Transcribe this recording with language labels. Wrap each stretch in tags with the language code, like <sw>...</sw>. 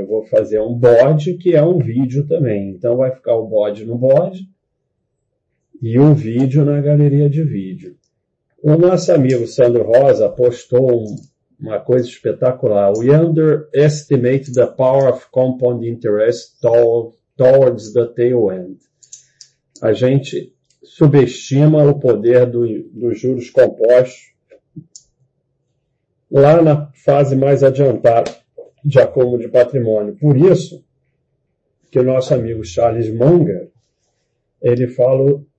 <pt>Eu vou fazer um bode que é um vídeo também. Então vai ficar o bode no bode e o vídeo na galeria de vídeo. O nosso amigo Sandro Rosa postou uma coisa espetacular.</pt> <en>We underestimate the power of compound interest towards the tail end.</en> <pt>A gente subestima o poder dos juros compostos lá na fase mais adiantada de acúmulo de patrimônio. Por isso que o nosso amigo Charles Munger, ele fala...</pt>